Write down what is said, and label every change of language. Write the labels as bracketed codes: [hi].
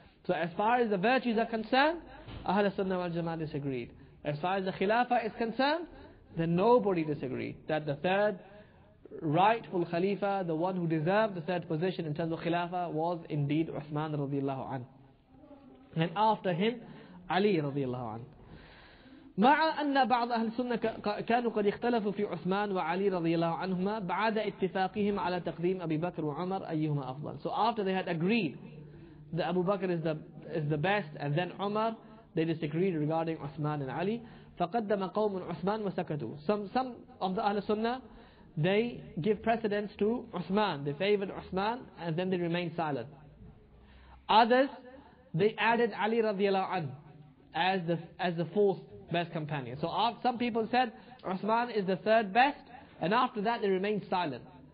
[en] So as far as the virtues are concerned, Ahl al-Sunnah wal-Jama'ah disagreed. As far as the Khilafah is concerned, then nobody disagreed that the third rightful Khalifa, the one who deserved the third position in terms of Khilafah, was indeed Uthman radiallahu anhu. And after him, Ali radiallahu anhu. [ar] مع أن بعض أهل السنة كانوا قد اختلفوا في عثمان وعلي رضي الله عنهما بعد اتفاقهم على تقديم أبي بكر وعمر أيهما أفضل. [en] So after they had agreed that Abu Bakr is the best, and then Umar, they disagreed regarding Uthman and Ali. [ar] فَقَدَّمَ قَوْمٌ Uthman وَسَكَتُوا. [en] Some of the Ahl Sunnah, they give precedence to Uthman. They favored Uthman, and then they remained silent. Others, they added Ali radiallahu anhu as the fourth best companion. So some people said Uthman is the third best, and after that they remained silent.